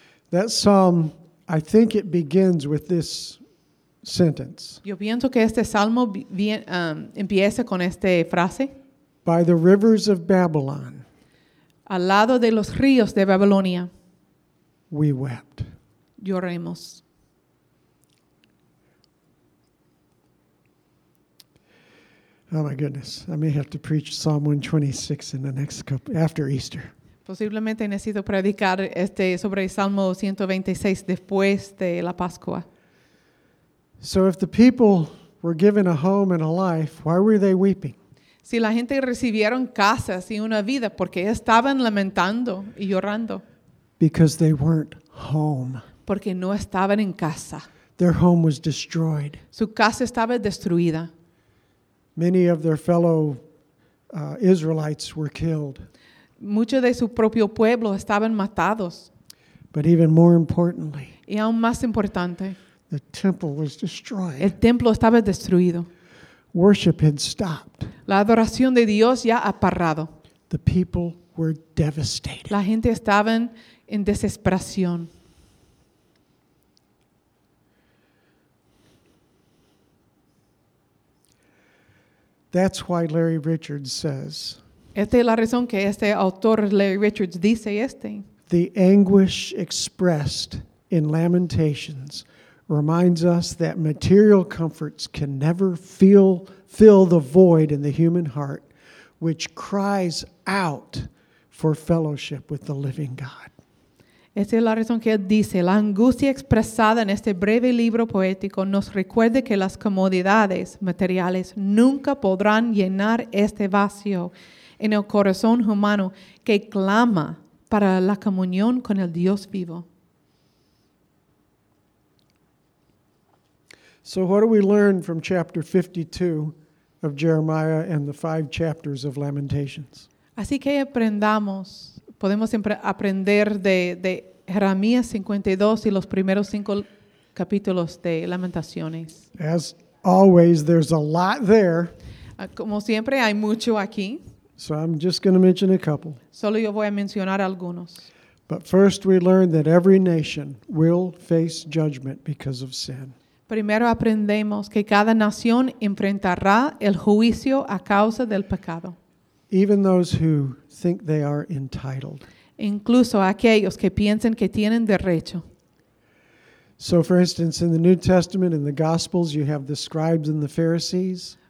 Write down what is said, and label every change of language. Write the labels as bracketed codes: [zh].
[en] That psalm, I think it begins with this sentence. [es] Yo pienso que este salmo empieza con esta frase. [en] By the rivers of Babylon. [es] Al lado de los ríos de Babilonia. [en] We wept. [es] Lloremos. [en] Oh my goodness. I may have to preach Psalm 126 in the next couple, after Easter. [es] Posiblemente necesito predicar este sobre Salmo 126 después de la Pascua. [en] So if the people were given a home and a life, why were they weeping? [es] Si la gente recibieron casas y una vida, ¿por qué estaban lamentando y llorando? [en] Because they weren't home. [es] Porque no estaban en casa. [en] Their home was destroyed. [es] Su casa estaba destruida. [en] Many of their fellow Israelites were killed. [es] Muchos de su propio pueblo estaban matados. [en] But even more importantly, [es] y aún más importante, [en] the temple was destroyed. [es] El templo estaba destruido. [en] Worship had stopped. [es] La adoración de Dios ya ha parado. [en] The people were devastated. [es] La gente estaban en desesperación. [en] That's why Larry Richards says. [es] Esta es la razón que este autor Larry Richards dice este. [en] The anguish expressed in Lamentations reminds us that material comforts can never fill the void in the human heart, which cries out for fellowship with the living God. [es] Esa es la razón que él dice, la angustia expresada en este breve libro poético nos recuerda que las comodidades materiales nunca podrán llenar este vacío en el corazón humano que clama para la comunión con el Dios vivo. [en] So what do we learn from chapter 52 of Jeremiah and the five chapters of Lamentations? [es] Así que aprendamos, podemos aprender de Jeremías 52 y los primeros cinco capítulos de Lamentaciones. [en] As always, there's a lot there. [es] Como siempre, hay mucho aquí. [en] So I'm just going to mention a couple. [es] Solo yo voy a mencionar algunos. [en] But first we learn that every nation will face judgment because of sin. [es] Primero aprendemos que cada nación enfrentará el juicio a causa del pecado. [en] Even those who think they are entitled. [es] Incluso aquellos que piensen que tienen derecho. [en] So for instance, in the New Testament, in the Gospels, you have the scribes and the Pharisees.